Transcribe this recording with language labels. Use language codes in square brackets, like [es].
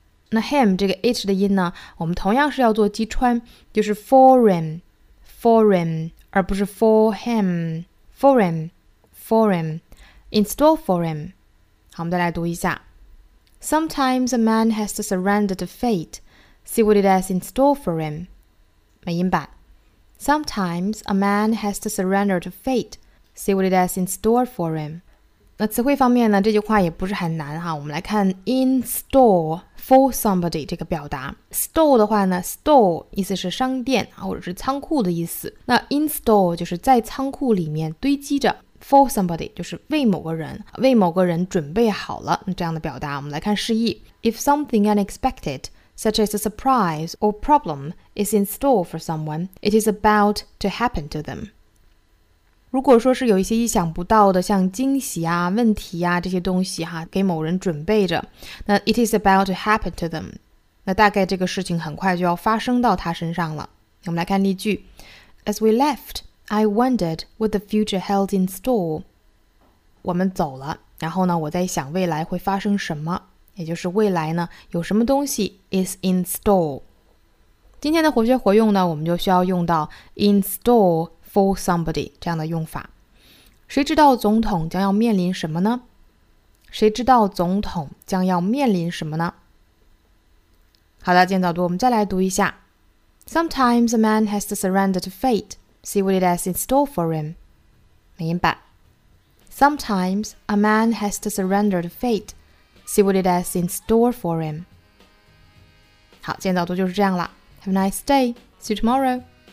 [zh] 那 him 这个 h 的音呢，我们同样是要做击穿，就是 for him, for him, 而不是 for him, for him, for him, in store for him. 好，我们再来读一下。 [en] Sometimes a man has to surrender to fate, see what it has in store for him. [zh] 美音版。 [en] Sometimes a man has to surrender to fate, see what it has in store for him. [zh] 那词汇方面呢，这句话也不是很难哈。我们来看 in store for somebody 这个表达。 store 的话呢 ，store 意思是商店啊，或者是仓库的意思。那 in store 就是在仓库里面堆积着 ，for somebody 就是为某个人，为某个人准备好了这样的表达。我们来看示意 [en] ：If something unexpected, such as a surprise or problem, is in store for someone, it is about to happen to them. [zh] 如果说是有一些意想不到的像惊喜啊问题啊这些东西哈、啊、给某人准备着那 [en] it is about to happen to them [zh] 那大概这个事情很快就要发生到他身上了我们来看例句 [en] As we left, I wondered what the future held in store [zh] 我们走了然后呢我在想未来会发生什么也就是未来呢有什么东西 is in store 今天的活学活用呢我们就需要用到 in storeFor somebody 这样的用法，谁知道总统将要面临什么呢？谁知道总统将要面临什么呢？好的，今天早读，我们再来读一下。 [en] Sometimes a man has to surrender to fate, see what it has in store for him. [zh] 美音版。 [en] Sometimes a man has to surrender to fate, see what it has in store for him. [zh] 好，今天早读就是这样了。 [en] Have a nice day. See you tomorrow.